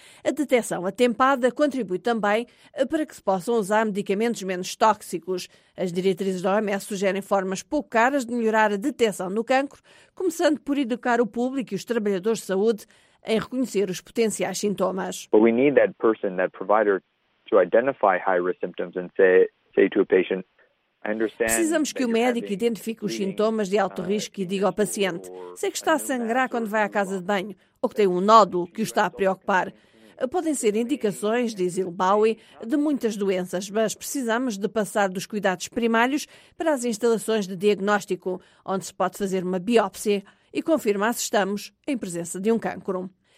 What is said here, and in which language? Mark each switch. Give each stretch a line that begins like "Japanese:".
Portuguese: A detecção atempada contribui também para que se possam usar medicamentos menos tóxicos. As diretrizes da OMS sugerem formas pouco caras de melhorar a detecção do cancro, começando por educar o público e os trabalhadores de saúde em reconhecer os potenciais sintomas.
English: But we need that person, that provider, to identify high-risk symptoms and say to a patient,
Portuguese: precisamos que o médico identifique os sintomas de alto risco e diga ao paciente: sei que está a sangrar quando vai à casa de banho, ou que tem um nódulo que o está a preocupar. Podem ser indicações, diz Ilbaoui, de muitas doenças, mas precisamos de passar dos cuidados primários para as instalações de diagnóstico, onde se pode fazer uma biópsia e confirmar se estamos em presença de um cancro.